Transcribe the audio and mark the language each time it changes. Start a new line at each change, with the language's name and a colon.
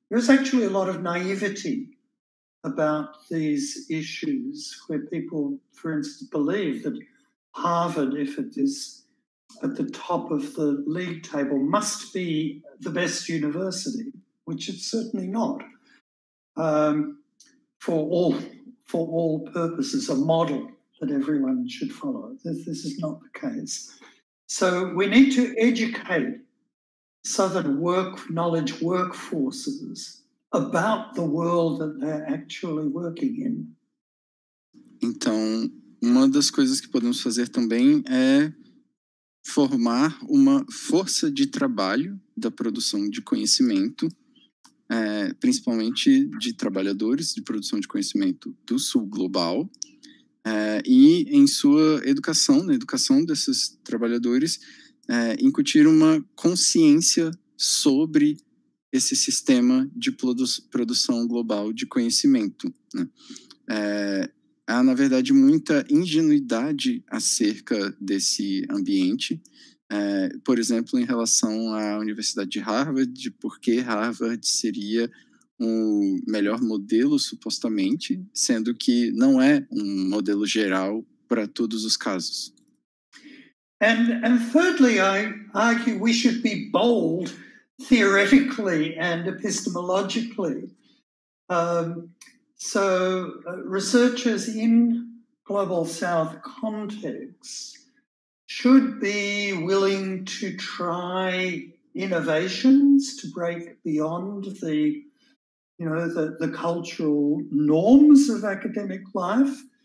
English: There's actually a lot of naivety about these issues where people, for instance, believe that Harvard, if it is at the top of the league table, must be the best university, which it's certainly not, for all purposes, a model that everyone should follow. This is not the case. So we need to educate Southern knowledge workforces about the world that they're actually working in.
Portuguese: Então, uma das coisas que podemos fazer também é formar uma força de trabalho da produção de conhecimento, principalmente de trabalhadores de produção de conhecimento do sul global. E em sua educação, na educação desses trabalhadores, incutir uma consciência sobre esse sistema de produção global de conhecimento, né? Há, na verdade, muita ingenuidade acerca desse ambiente, por exemplo, em relação à Universidade de Harvard, de por que Harvard seria um melhor modelo, supostamente, sendo que não é um modelo geral para todos os casos.
English: And thirdly, I argue we should be bold theoretically and epistemologically. So researchers in Global South contexts should be willing to try innovations to break beyond the cultural norms of academic life.